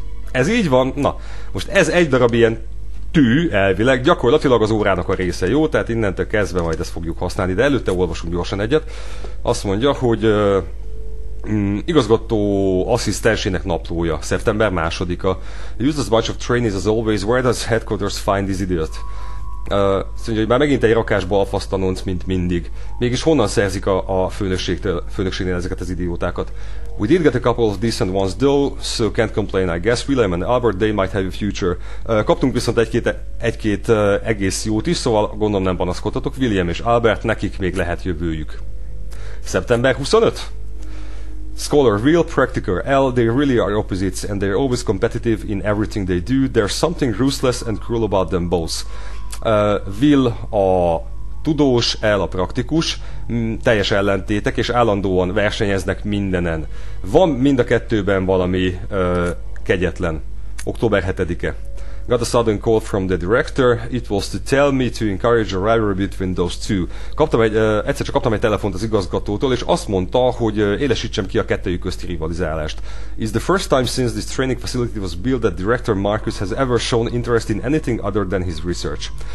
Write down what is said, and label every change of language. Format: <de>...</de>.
<hu>Ez így van, na. Most ez egy darab ilyen tű, elvileg, gyakorlatilag az órának a része, jó? Tehát innentől kezdve majd ezt fogjuk használni, de előtte olvasunk gyorsan egyet. Azt mondja, hogy igazgató asszisztensének naplója, szeptember 2-a.</hu> <en>Use this bunch of trainees as always, where does headquarters find this idiot?</en> <hu>Azt mondja, hogy már megint egy rakásba alfasztanonc, mint mindig. Mégis honnan szerzik a főnökségnél ezeket az idiótákat?</hu> <en>We did get a couple of decent ones though, so can't complain, I guess. William and Albert, they might have a future.</en> <hu>Kaptunk viszont egy-két egész jót is, szóval gondolom nem panaszkodhatok. William és Albert, nekik még lehet jövőjük. Szeptember 25?</hu> <en>Scholar real, practicor L, they really are opposites and they're always competitive in everything they do. There's something ruthless and cruel about them both.</en> <hu>Will a tudós, el a praktikus, teljes ellentétek, és állandóan versenyeznek mindenen. Van mind a kettőben valami kegyetlen. Október 7-e.</hu> <en>Got a sudden call from the director. It was to tell me to encourage a rivalry between those two.</en> <hu>Egyszer csak kaptam egy telefont az igazgatótól, és azt mondta, hogy élesítsem ki a kettőjük közti rivalizálást.</hu> <en>It's the first time since this training facility was built that director Marcus has ever shown interest in anything other than his research.</en>